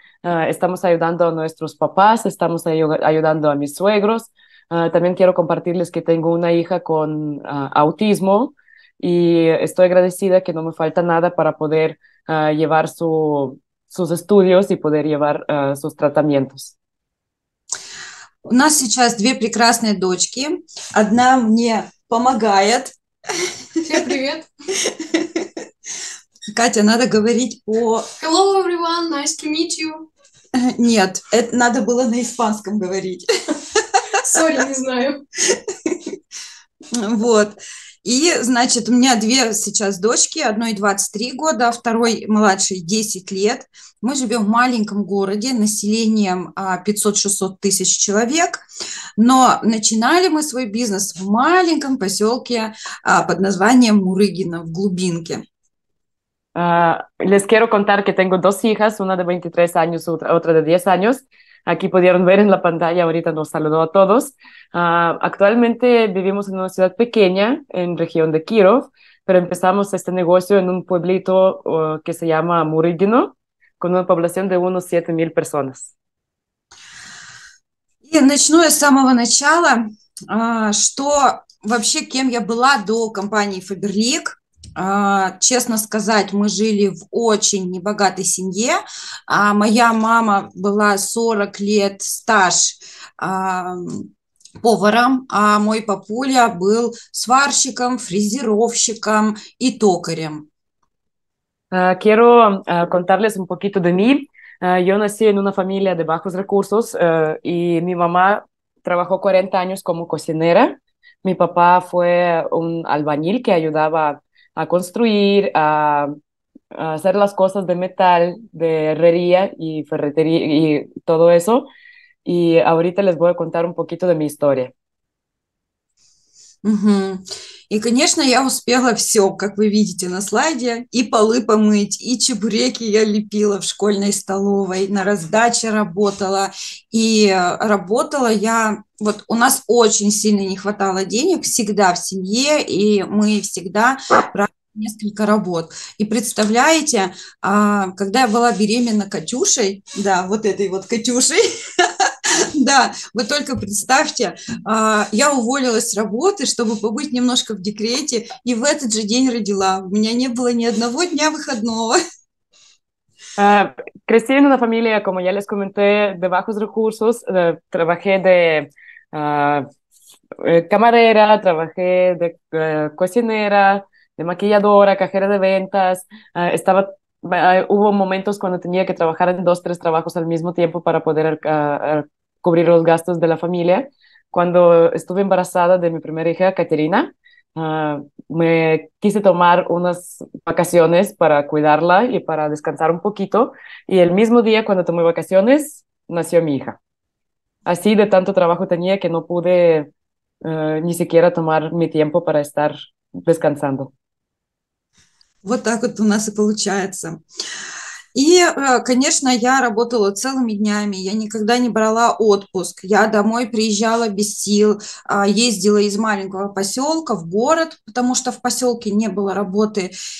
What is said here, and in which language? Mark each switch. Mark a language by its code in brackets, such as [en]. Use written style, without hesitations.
[es] Estamos ayudando a nuestros papás, estamos ayudando a mis suegros. También quiero compartirles que tengo una hija con autismo y estoy agradecida que no me falta nada para poder llevar sus estudios y poder llevar sus tratamientos. [ru] У нас сейчас 2 прекрасные дочки. Одна мне помогает. Всем привет. Катя, надо говорить по... [en] Hello everyone, nice to meet you. [ru] Нет, это надо было на испанском говорить. [en] Sorry, [ru] не знаю. Вот. И, значит, у меня 2 сейчас дочки, одной 23 года, второй младшей 10 лет. Мы живем в маленьком городе, населением 500-600 тысяч человек. Но начинали мы свой бизнес в маленьком поселке под названием Мурыгина в глубинке. [es] Les quiero contar que tengo dos hijas, una de 23 años, otra de 10 años. Aquí pudieron ver en la pantalla, ahorita nos saludó a todos. Actualmente vivimos en una ciudad pequeña, en región de Kirov, pero empezamos este negocio en un pueblito que se llama Murigino, con una población de unos 7.000 personas. [ru] И начну я с самого начала, что вообще, кем я была до компании Faberlic. Честно сказать, мы жили в очень небогатой семье. Моя мама была 40 лет стаж поваром, а мой папуля был сварщиком, фрезеровщиком и токарем. [es] Quiero contarles un poquito de mí. Yo nací en una familia de bajos recursos y mi mamá trabajó 40 años como cocinera. Mi papá fue un albañil que ayudaba a construir, a hacer las cosas de metal, de herrería y ferretería y todo eso. Y ahorita les voy a contar un poquito de mi historia. [ru] И, конечно, я успела все, как вы видите на слайде, и полы помыть, и чебуреки я лепила в школьной столовой, на раздаче работала. И работала я... Вот у нас очень сильно не хватало денег всегда в семье, и мы всегда брали несколько работ. И представляете, когда я была беременна Катюшей, да, вот этой вот Катюшей... Да, вы только представьте, я уволилась с работы, чтобы побыть немножко в декрете, и в этот же день родила. У меня не было ни одного дня выходного. [es] Crecí en una familia, como ya les comenté, de bajos recursos. Trabajé de camarera, trabajé de cocinera, de maquilladora, cajera de ventas. Hubo momentos cuando tenía que trabajar en dos, tres trabajos al mismo tiempo para poder cubrir los gastos de la familia. Cuando estuve embarazada de mi primera hija, Caterina, me quise tomar unas vacaciones para cuidarla y para descansar un poquito. Y el mismo día cuando tomé vacaciones, nació mi hija. Así de tanto trabajo tenía que no pude ni siquiera tomar mi tiempo para estar descansando. [ru] Вот так вот у нас и получается. И, конечно, я работала целыми днями, я никогда не брала отпуск. Я домой приезжала без сил, ездила из маленького поселка в город, потому что в поселке не было работы.